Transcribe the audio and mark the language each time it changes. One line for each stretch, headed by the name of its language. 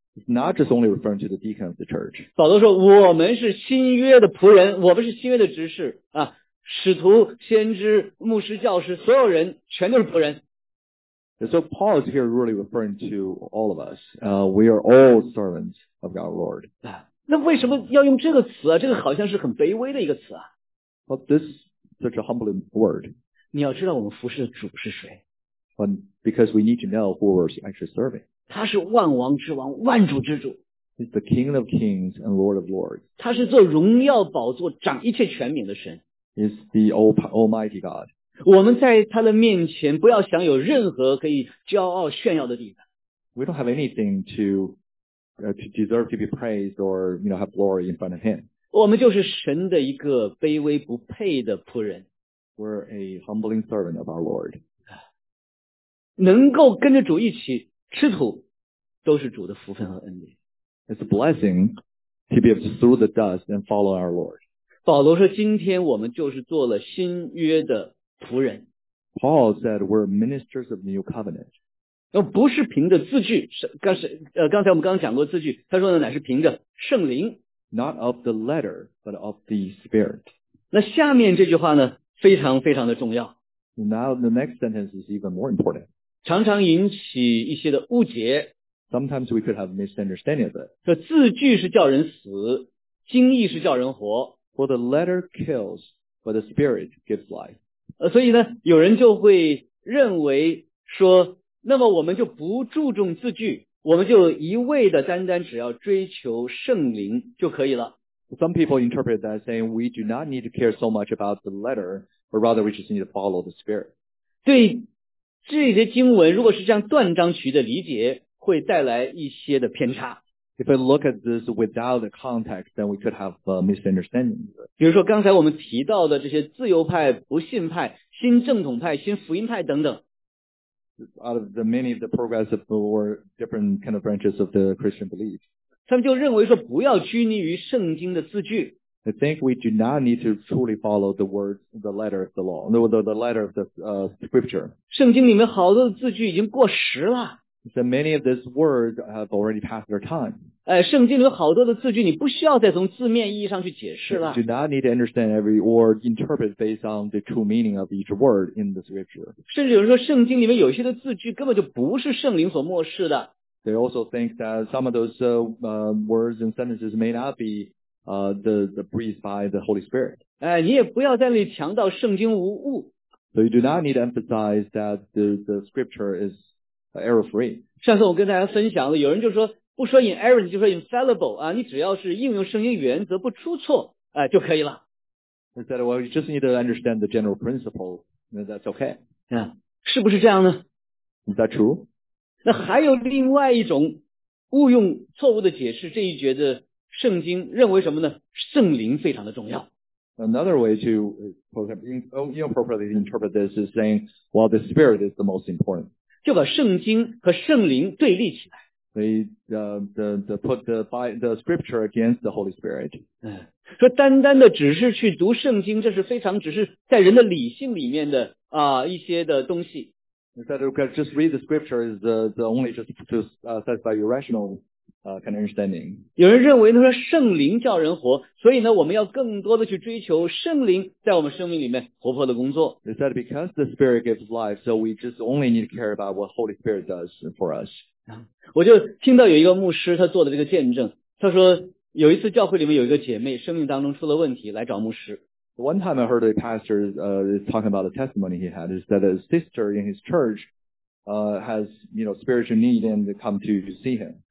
English: It's not just only referring to the deacon of the church.
Chinese: 保罗说我们是新约的仆人，我们是新约的执事啊，使徒、先知、牧师、教师，所有人全都是仆人。
English: And so Paul is here really referring to all of us. We are all servants of our Lord.
Chinese: 那为什么要用这个词啊？这个好像是很卑微的一个词啊。
English: But this is such a humbling word.
Chinese: 你要知道我们服侍的主是谁。
English: But because we need to know who we're actually serving.
Chinese: 他是万王之王，万主之主。
English: He's the King of Kings and Lord of Lords.
Chinese: 他是坐荣耀宝座掌一切权柄的神。
English: He's the Almighty God.
Chinese: 我们在他的面前不要想有任何可以骄傲炫耀的地方。
English: We don't have anything to deserve to be praised or, you know, have glory in front of him.
Chinese: 我们就是神的一个卑微不配的仆人。
English: We're a humbling servant of our Lord.
Chinese: 能够跟着主一起吃土都是主的福分和恩典。
English: It's a blessing to be able to through the dust and follow our Lord.
Chinese: 保罗说今天我们就是做了新约的仆人。
English: Paul said we're ministers of the new covenant.
Chinese: 不是凭着字句，刚才我们刚讲过字句，他说的乃是凭着圣灵。
English: Not of the letter, but of the spirit.
Chinese: 那下面这句话呢，非常非常的重要。
English: Now the next sentence is even more important.
Chinese: 常常引起一些的误解。
English: Sometimes we could have misunderstanding of it.
Chinese: 这字句是叫人死，经意是叫人活。
English: For the letter kills, but the spirit gives life.
Chinese: 所以呢有人就会认为说那么我们就不注重字句，我们就一味的单单只要追求圣灵就可以了。
English: Some people interpret that saying we do not need to care so much about the letter, but rather we just need to follow the spirit.
Chinese: 对这些经文如果是这样断章取义的理解会带来一些的偏差。
English: If we look at this without the context, then we could have a misunderstanding.
Chinese: 比如说刚才我们提到的这些自由派、不信派、新正统派、新福音派等等。
English: Out of the many of the progressive or different kind of branches of the Christian belief.
Chinese: 他们就认为说不要拘泥于圣经的字句。
English: I think we do not need to truly follow the words, the letter of the law, no, the letter of the scripture.
Chinese: 圣经里面好多的字句已经过时了。
English: So many of these words have already passed their time.
Chinese: 圣经里有好多的字句你不需要再从字面意义上去解释了。
English: You do not need to understand every or interpret based on the true meaning of each word in the scripture.
Chinese: 甚至有人说圣经里面有些的字句根本就不是圣灵所默示的。
English: They also think that some of those words and sentences may not be the breathed by the Holy Spirit.
Chinese: 你也不要在那里强调圣经无误。
English: So you do not need to emphasize that the scripture is error free.
Chinese: 上次我跟大家分享了，有人就说不说 inerrant 就说 infallible 啊，你只要是应用圣经原则不出错啊就可以了。
English: He said, "Well, you just need to understand the general principle, and that's okay."
Chinese: 啊，是不是这样呢
English: ？Is that true?
Chinese: 那还有另外一种误用错误的解释这一节的圣经，认为什么呢？圣灵非常的重要。
English: Another way to inappropriately interpret this is saying, "Well, the Spirit is the most important."
Chinese: 就把圣经和圣灵对立起来。
English: They, put the scripture against the Holy Spirit.
Chinese: 说单单的只是去读圣经，这是非常只是在人的理性里面的啊一些的东西。
English: Instead of just read the scripture is the only just to satisfy your rational kind of understanding.
Chinese: 有人认为他说圣灵叫人活，所以呢，我们要更多的去追求圣灵在我们生命里面活泼的工作。
English: Is that because the Spirit gives life, so we just only need to care about what Holy Spirit does for us?
Chinese: 我就听到有一个牧师他做的这个见证，他说有一次教会里面有一个姐妹生命当中出了问题，来找牧师。
English: One time I heard a pastor talking about a testimony he had is that a sister in his church has you know, spiritual need and come to see him.